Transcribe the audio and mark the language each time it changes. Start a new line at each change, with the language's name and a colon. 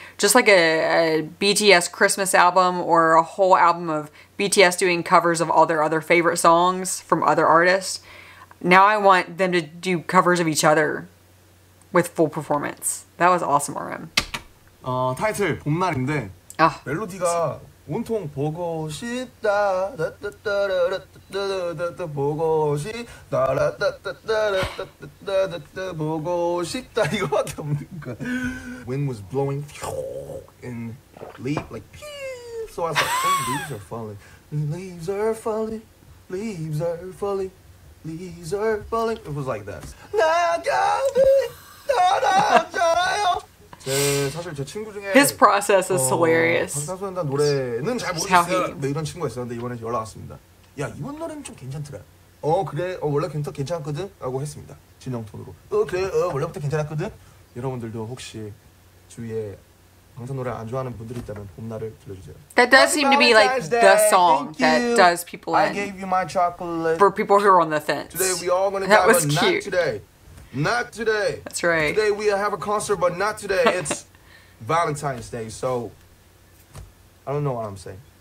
English: Just like a BTS Christmas album or a whole album of BTS doing covers of all their other favorite songs from other artists. Now I want them to do covers of each other with full performance. That was awesome, RM.
Korean: 타이틀 봄날인데 아. 멜로디가 온통 보고 싶다 따따따라따따따따 보고 싶다 따따따따따따따 보고 싶다 이거밖에 없는 거.
English: Wind was blowing in leaf like so I was like oh, leaves are falling leaves are falling leaves are falling leaves are falling it was like that.
Korean: 나가비 따라줘요. 제 사실 제 친구 중에
English: His process is hilarious.
Korean: 방탄소년단 노래는 잘 모르겠어요. 이런 친구가 있었는데 이번에 연락 왔습니다. 야 이번 노래는 좀 괜찮더라. 어 그래 어 원래 괜찮 괜찮거든 라고 했습니다. 진영 톤으로. 어 그래 어 원래부터 괜찮았거든. 여러분들도 혹시 주위에 방탄 노래 안 좋아하는 분들이 있다면 봄날을 들려주세요.
English: That does seem to be like the song that does people in. I gave you my chocolate for people who are on the fence. Today we all gonna have a night today. Not today. That's right. Today we have a concert, but not today. It's Valentine's Day, so I don't know what I'm saying.